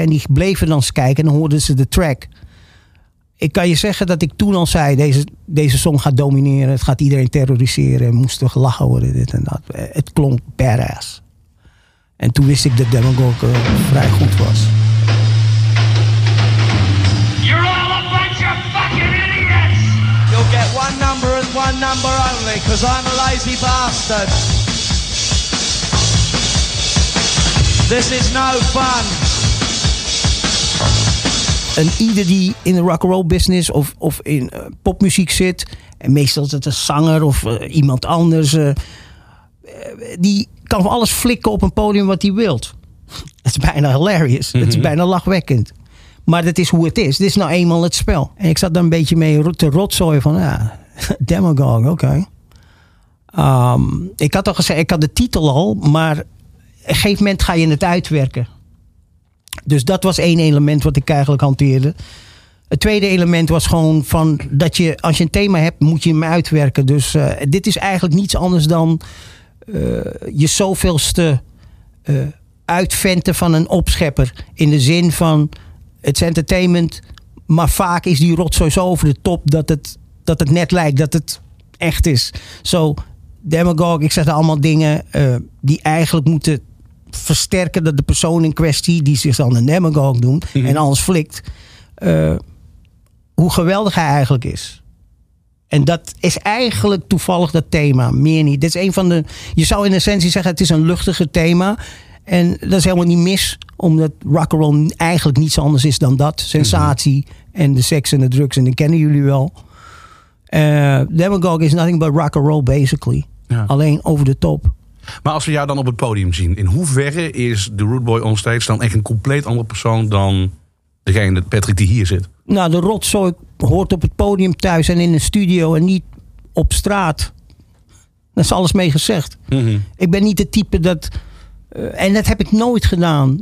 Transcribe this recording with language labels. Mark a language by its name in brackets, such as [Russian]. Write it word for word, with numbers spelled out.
[Dutch] En die bleven dan eens kijken. En dan hoorden ze de track... Ik kan je zeggen dat ik toen al zei... Deze, deze song gaat domineren. Het gaat iedereen terroriseren. Het moest toch lachen worden, dit en dat. Het klonk badass. En toen wist ik dat Demagog uh, vrij goed was. [English] You're all a bunch of fucking idiots! You'll get one number and one number only... Cause I'm a lazy bastard. This is no fun. [Dutch] En ieder die in de rock'n'roll business of, of in uh, popmuziek zit... en meestal is het een zanger of uh, iemand anders... Uh, uh, die kan alles flikken op een podium wat hij wilt. Het is bijna hilarious. Mm-hmm. Het is bijna lachwekkend. Maar dat is hoe het is. Dit is nou eenmaal het spel. En ik zat daar een beetje mee te rotzooien van... ja, Demagogue, oké. Okay. Um, ik had al gezegd, ik had de titel al... maar op een gegeven moment ga je het uitwerken. Dus dat was één element wat ik eigenlijk hanteerde. Het tweede element was gewoon van... dat je, als je een thema hebt, moet je hem uitwerken. Dus uh, dit is eigenlijk niets anders dan... Uh, je zoveelste... Uh, uitventen van een opschepper. In de zin van... het is entertainment, maar vaak is die rotzooi zo over de top dat het, dat het net lijkt, dat het echt is. Zo, Demagogue, ik zeg er allemaal dingen uh, die eigenlijk moeten versterken dat de persoon in kwestie, die zich dan een demagogue noemt mm-hmm. en alles flikt, uh, hoe geweldig hij eigenlijk is. En dat is eigenlijk toevallig dat thema, meer niet. Dit is een van de, je zou in essentie zeggen, het is een luchtige thema. En dat is helemaal niet mis, omdat rock'n'roll eigenlijk niets anders is dan dat. Sensatie en de seks en de drugs, en dat kennen jullie wel. [English] Uh, Demagogue is nothing but rock'n'roll basically. [Dutch] Ja. Alleen over de top. Maar als we jou dan op het podium zien, in hoeverre is de Rude Boy onstage dan echt een compleet andere persoon dan degene, Patrick, die hier zit? Nou, de rotzooi hoort op het podium thuis en in de studio en niet op straat. Daar is alles mee gezegd. Mm-hmm. Ik ben niet het type dat... Uh, en dat heb ik nooit gedaan.